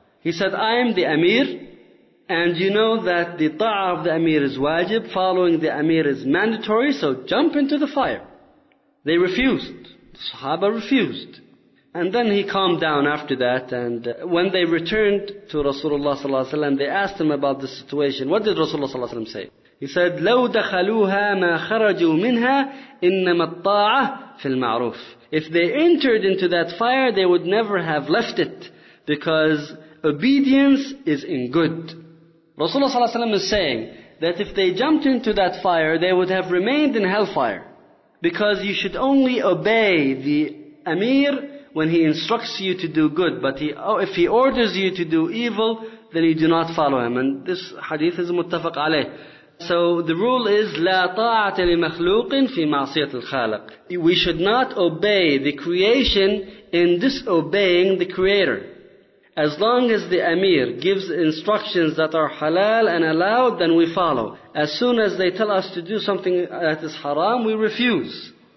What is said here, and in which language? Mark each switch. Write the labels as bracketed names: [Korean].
[English] He said, I am the Amir, and you know that the ta'ah of the Amir is wajib, following the Amir is mandatory, so jump into the fire. They refused. The Sahaba refused. And then he calmed down after that, and when they returned to Rasulullah sallallahu alaihi wasallam, they asked him about the situation. What did Rasulullah sallallahu alaihi wasallam say? He said, [Arabic] لو دخلوها ما خرجوا منها إنما الطاعة في المعروف. [English] If they entered into that fire, they would never have left it, because obedience is in good. Rasulullah sallallahu alaihi wasallam is saying that if they jumped into that fire, they would have remained in hellfire, because you should only obey the Amir when he instructs you to do good. But if he orders you to do evil, then you do not follow him. And this hadith is muttafaq alayh. So the rule is, [Arabic] لا طاعة لمخلوق في معصية الخالق. [English] We should not obey the creation in disobeying the Creator. As long as the Amir gives instructions that are halal and allowed, then we follow. As soon as they tell us to do something that is haram, we refuse.